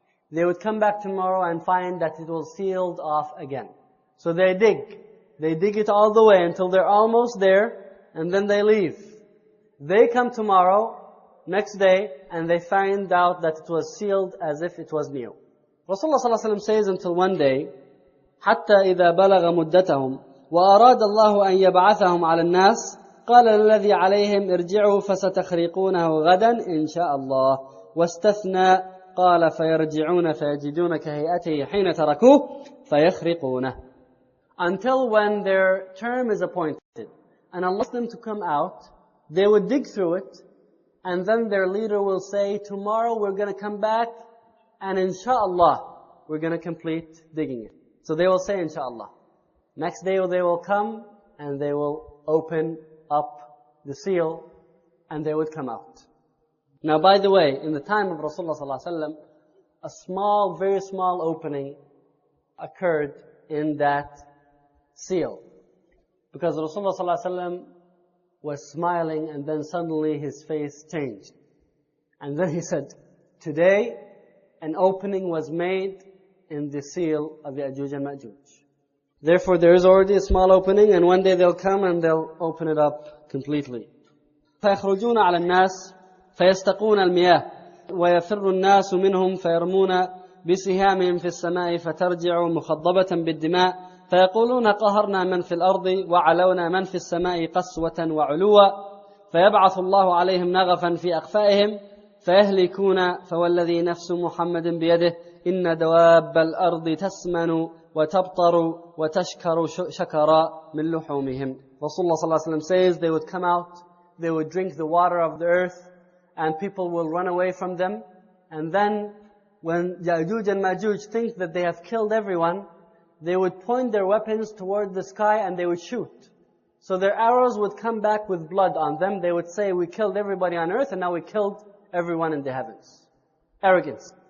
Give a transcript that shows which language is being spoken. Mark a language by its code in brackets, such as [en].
[en] They would come back tomorrow and find that it was sealed off again. So they dig. They dig it all the way until they're almost there, and then they leave. They come tomorrow, next day, and they find out that it was sealed as if it was new. [ar] Rasulullah ﷺ [en] says, until one day, [ar] حَتَّى إِذَا بَلَغَ مُدَّتَهُمْ وَأَرَادَ اللَّهُ أَن يَبْعَثَهُمْ عَلَى النَّاسِ قَالَ الَّذِي عَلَيْهِمْ ارْجِعُوا فَسَتَخْرِقُونَهُ غَدًا إِنْ شَاءَ اللَّهُ وَاسْتَثْنَى قَالَ فَيَرْجِعُونَ فَيَجِدُونَ كَهَيْئَتِهِ حِينَ تَرَكُوهُ فَيَخْرِقُونَ. [en] until when their term is appointed, and Allah asks them to come out, they would dig through it, and then their leader will say, tomorrow we're going to come back, and inshallah, we're going to complete digging it. So they will say, inshallah. Next day they will come, and they will open up the seal, and they would come out. Now by the way, in the time of Rasulullah sallallahu alaihi wasallam, a small, very small opening occurred in that seal. Because Rasulullah sallallahu alaihi wasallam was smiling, and then suddenly his face changed. And then he said, today, an opening was made in the seal of Ya'juj and Ma'juj. Therefore, there is already a small opening, and one day they'll come and they'll open it up completely. [ar] فَيَخْرُجُونَ عَلَى النَّاسِ فَيَسْتَقُونَ الْمِيَاهِ وَيَفِرُّ النَّاسُ مِنْهُمْ فَيَرْمُونَ بِسِهَامِهِمْ فِي السَّمَاءِ فَتَرْجِعُوا مُخَضَّبَةً بِالدِّمَاءِ فيقولون قهرنا من في الأرض وعلونا من في السماء قسوة وعلوة فيبعث الله عليهم نغفا في أقفائهم فيهلكون فوالذي نفس محمد بيده إن دواب الأرض تسمن وتبطر وتشكر شكرا من لحومهم. رسول الله صلى الله عليه وسلم [en] says, they would come out, they would drink the water of the earth, and people will run away from them. And then when Ya'juj and Ma'juj think that they have killed everyone, they would point their weapons toward the sky and they would shoot. So their arrows would come back with blood on them. They would say, we killed everybody on earth and now we killed everyone in the heavens. Arrogance.